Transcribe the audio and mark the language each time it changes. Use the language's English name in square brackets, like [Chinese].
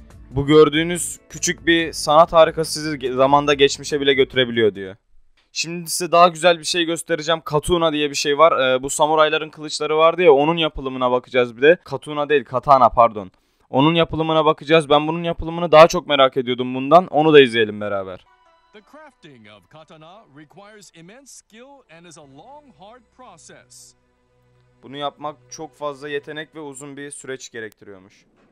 [Turkish] Bu gördüğünüz küçük bir sanat harikası sizi zamanda geçmişe bile götürebiliyor diyor. Şimdi size daha güzel bir şey göstereceğim. Katuna diye bir şey var. Bu samurayların kılıçları vardı ya, onun yapılımına bakacağız bir de. Katuna değil, katana pardon. Onun yapılımına bakacağız. Ben bunun yapılımını daha çok merak ediyordum bundan. Onu da izleyelim beraber. [English] The crafting of katana requires immense skill and is a long hard process. [Turkish] Bunu yapmak çok fazla yetenek ve uzun bir süreç gerektiriyormuş.